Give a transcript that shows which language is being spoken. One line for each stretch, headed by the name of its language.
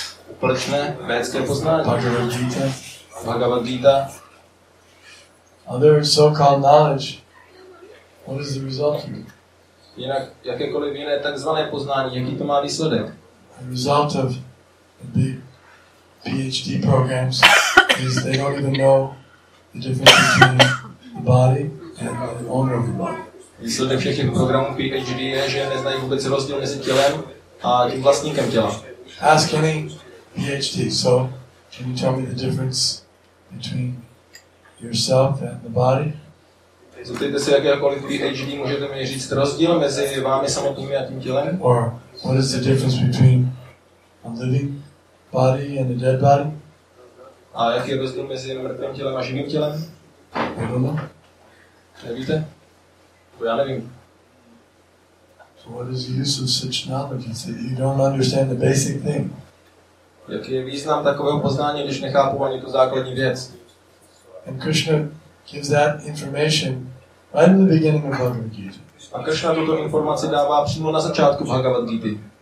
Czech: Úplečné, védské poznání. Bhagavad Gita. Bhagavad Gita.
English: Other so-called knowledge. What is the result of it?
Czech: Jinak jakékoliv jiné takzvané poznání, jaký to má výsledek?
English: a result of the PhD programs is they don't even know the difference between the body and the owner of the body.
Czech: Výsledek všech těch programů PhD je, že neznají vůbec rozdíl mezi tělem a tím vlastníkem těla.
English: Ask any PhD, so can you tell me the difference between yourself and the body?
Czech: Zeptejte se jakékoliv PhD, můžete mi říct rozdíl mezi vámi samotnými a tím tělem?
English: Or what is the difference between a living body and a dead body?
Czech: A jaký je rozdíl mezi mrtvým tělem a živým tělem?
English: I don't know.
Czech: Nevíte?
English: So what is the use of such knowledge? It's that you don't understand the basic thing.
Czech: Jaký je význam takového poznání, když nechápu ani tu základní věc?
English: And Krishna gives that information right in the beginning of Bhagavad Gita.
Czech: A Krishna tuto informaci dává přímo na začátku Bhagavad Gity.